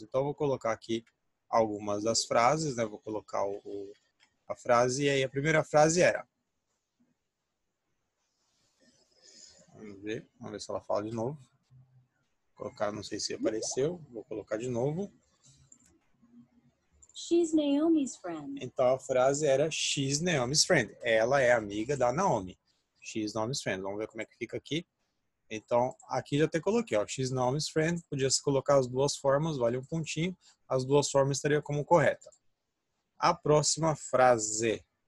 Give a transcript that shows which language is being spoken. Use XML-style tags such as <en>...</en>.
<pt>Então eu vou colocar aqui algumas das frases, né? Vou colocar a frase, e aí a primeira frase era. Vamos ver se ela fala de novo. Vou colocar, não sei se apareceu, vou colocar de novo.</pt> <en>She's Naomi's friend.</en> <pt>Então a frase era</pt> <en>She's Naomi's friend.</en> <pt>Ela é amiga da Naomi.</pt> <en>She's Naomi's friend.</en> <pt>Vamos ver como é que fica aqui. Então, aqui já até coloquei, ó.</pt> <en>She's Naomi's friend.</en> <pt>Podia se colocar as duas formas, vale um pontinho. As duas formas estariam como correta. A próxima frase.</pt>